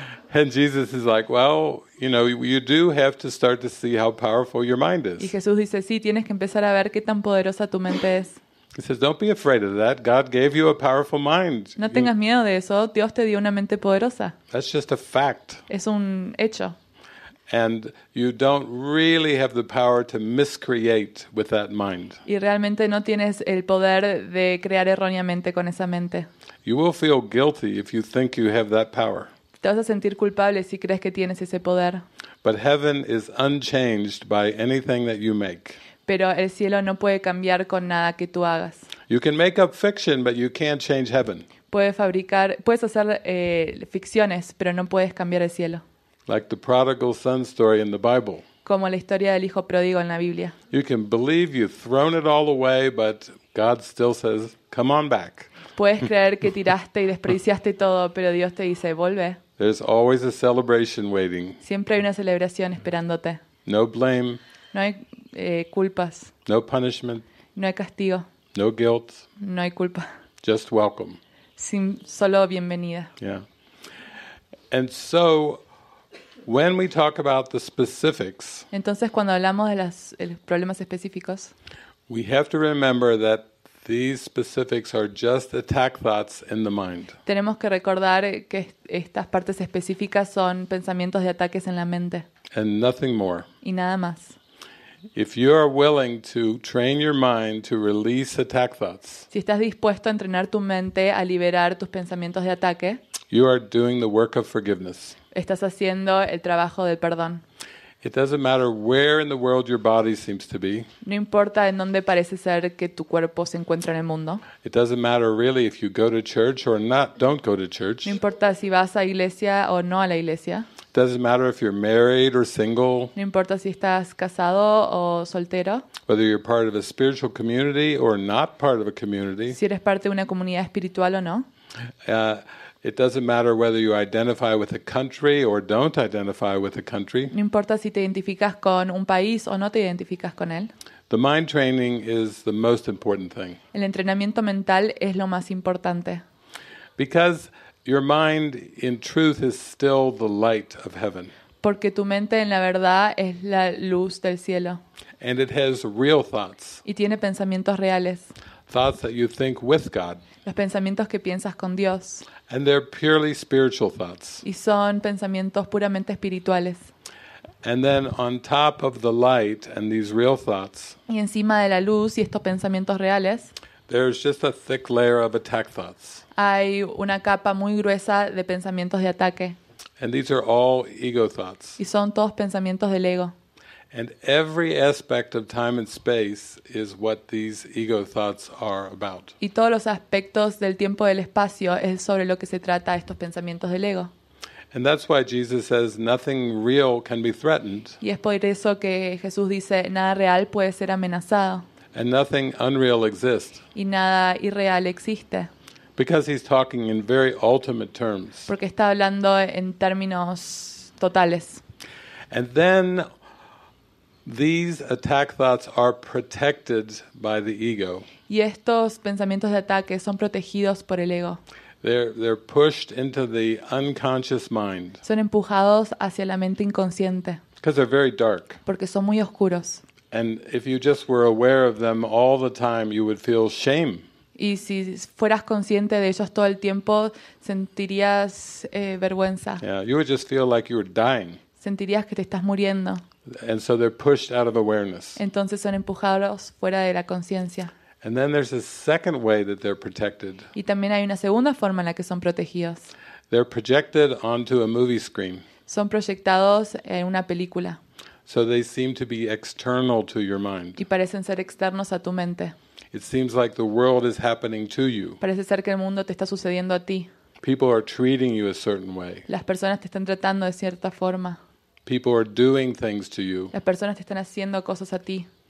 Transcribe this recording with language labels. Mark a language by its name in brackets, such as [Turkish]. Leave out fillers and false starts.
[English] And Jesus is like, well, you know, you do have to start to see how powerful your mind is. [Spanish] Y Jesús dice, sí, tienes que empezar a ver qué tan poderosa tu mente es. [English] He says, don't be afraid of that. God gave you a powerful mind. [Spanish] No tengas miedo de eso. Dios te dio una mente poderosa. [English] That's just a fact. [Spanish] Es un hecho. [English] And you don't really have the power to miscreate with that mind. [Spanish] Y realmente no tienes el poder de crear erróneamente con esa mente. [English] You will feel guilty if you think you have that power. [Spanish] Te vas a sentir culpable si crees que tienes ese poder. [English] But heaven is unchanged by anything that you make. [Spanish] Pero el cielo no puede cambiar con nada que tú hagas. [English] You can make up fiction, but you can't change heaven. [Spanish] Puedes hacer ficciones, pero no puedes cambiar el cielo. [English] Like the prodigal son story in the Bible. [Spanish] Como la historia del hijo pródigo en la Biblia. [English] You can believe you've thrown it all away, but God still says, "Come on back." [Spanish] Puedes creer que tiraste y desperdiciaste todo, pero Dios te dice, "Vuelve." [English] There's always a celebration waiting. [Spanish] Siempre hay una celebración esperándote. [English] No blame. [Spanish] No hay culpas. [English] No punishment. [Spanish] No hay castigo. [English] No guilt. [Spanish] No hay culpa. [English] Just welcome. [Spanish] Solo bienvenida. [English] Yeah. And so When we talk about the specifics, [Spanish] entonces cuando hablamos de los problemas específicos, [English] we have to remember that these specifics are just attack thoughts in the mind. [Spanish] Tenemos que recordar que estas partes específicas son pensamientos de ataques en la mente. [English] And nothing more. [Spanish] Y nada más. [English] If you are willing to train your mind to release attack thoughts, [Spanish] si estás dispuesto a entrenar tu mente a liberar tus pensamientos de ataque, [English] you are doing the work of forgiveness. [Spanish] Estás haciendo el trabajo del perdón. [English] It doesn't matter where in the world your body seems to be. [Spanish] No importa en dónde parece ser que tu cuerpo se encuentra en el mundo. [English] It doesn't matter really if you go to church or not, don't go to church. [Spanish] No importa si vas a iglesia o no a la iglesia. [English] It doesn't matter if you're married or single. [Spanish] No importa si estás casado o soltero. [English] Whether you're part of a spiritual community or not part of a community. [Spanish] Si eres parte de una comunidad espiritual o no. [English] It doesn't matter whether you identify with a country or don't identify with a country. [Spanish] No importa si te identificas con un país o no te identificas con él. [English] The mind training is the most important thing. [Spanish] El entrenamiento mental es lo más importante. [English] Because your mind, in truth, is still the light of heaven. [Spanish] Porque tu mente, en la verdad, es la luz del cielo. [English] And it has real thoughts. [Spanish] Y tiene pensamientos reales. [English] Thoughts that you think with God. [Spanish] Los pensamientos que piensas con Dios. [English] And they're purely spiritual thoughts. [Spanish] Y son pensamientos puramente espirituales. [English] And then on top of the light and these real thoughts. [Spanish] Y encima de la luz y estos pensamientos reales. [English] There's just a thick layer of attack thoughts. [Spanish] Hay una capa muy gruesa de pensamientos de ataque. [English] And these are all ego thoughts. [Spanish] Y son todos pensamientos del ego. [English] And every aspect of time and space is what these ego thoughts are about. [Spanish] Y todos los aspectos del tiempo y del espacio es sobre lo que se trata estos pensamientos del ego. [English] And that's why Jesus says nothing real can be threatened. [Spanish] Y es por eso que Jesús dice nada real puede ser amenazado. [English] And nothing unreal exists. [Spanish] Y nada irreal existe. [English] Because he's talking in very ultimate terms. [Spanish] Porque está hablando en términos totales. [English] And then these attack thoughts are protected by the ego. [Spanish] Y estos pensamientos de ataque son protegidos por el ego. [English] They're pushed into the unconscious mind. [Spanish] Son empujados hacia la mente inconsciente. [English] Because they're very dark. [Spanish] Porque son muy oscuros. [English] And if you just were aware of them all the time, you would feel shame. [Spanish] Y si fueras consciente de ellos todo el tiempo, sentirías vergüenza. [English] Yeah, you would just feel like you were dying. [Spanish] Sentirías que te estás muriendo. [English] And so they're pushed out of awareness. [Spanish] Entonces son empujados fuera de la conciencia. [English] And then there's a second way that they're protected. [Spanish] Y también hay una segunda forma en la que son protegidos. [English] They're projected onto a movie screen. [Spanish] Son proyectados en una película. [English] So they seem to be external to your mind. [Spanish] Y parecen ser externos a tu mente. [English] It seems like the world is happening to you. [Spanish] Parece ser que el mundo te está sucediendo a ti. [English] People are treating you a certain way. [Spanish] Las personas te están tratando de cierta forma. [English] People are doing things to you. [Spanish] Las personas te están haciendo cosas a ti.